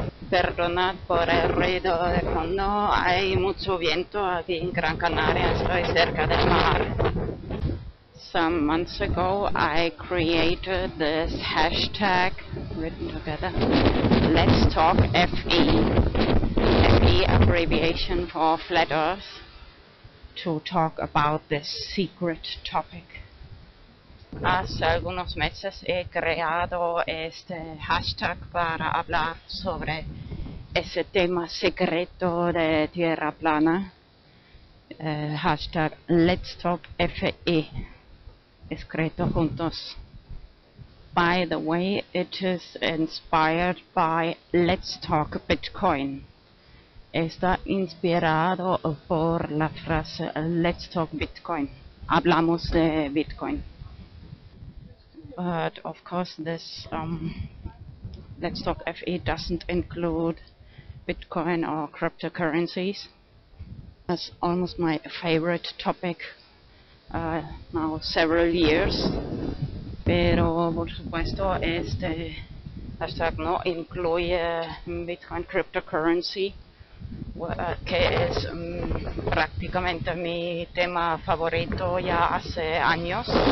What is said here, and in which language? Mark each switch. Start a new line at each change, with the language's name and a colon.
Spanish: Perdonad por el ruido de fondo, hay mucho viento aquí en Gran Canaria, estoy cerca del mar.
English: Some months ago, I created this hashtag, written together, Let's Talk FE, FE abbreviation for Flat Earth, to talk about this secret topic.
Spanish: Hace algunos meses he creado este hashtag para hablar sobre ese tema secreto de Tierra Plana, hashtag Let's Talk FE. Escrito juntos.
English: by the way, it is inspired by LetsTalk Bitcoin.
Spanish: Está inspirado por la frase LetsTalk Bitcoin. Hablamos de Bitcoin.
English: But of course, this LetsTalk FE doesn't include Bitcoin or cryptocurrencies. That's almost my favorite topic now several years.
Spanish: Pero por supuesto, este hashtag no incluye Bitcoin cryptocurrency, que es prácticamente mi tema favorito ya hace años.